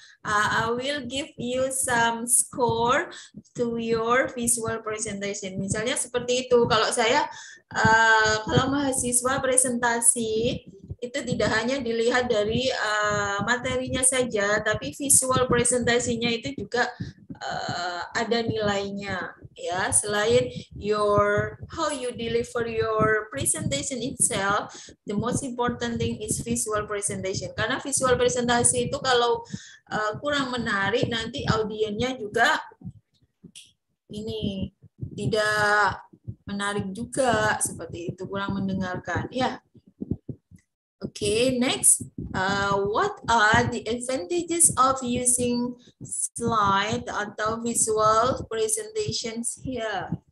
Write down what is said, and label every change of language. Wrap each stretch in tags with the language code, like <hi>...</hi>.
<en>I will give you some score to your visual presentation.</en> <id>Misalnya seperti itu. Kalau saya, kalau mahasiswa presentasi itu tidak hanya dilihat dari materinya saja, tapi visual presentasinya itu juga ada nilainya. Ya, selain</id> <en>your how you deliver your presentation itself, the most important thing is visual presentation.</en> <id>Karena visual presentasi itu kalau kurang menarik, nanti audiennya juga ini tidak menarik juga seperti itu, kurang mendengarkan.</id> <en>Ya. Okay, next, what are the advantages of using slide atau visual presentations here?</en>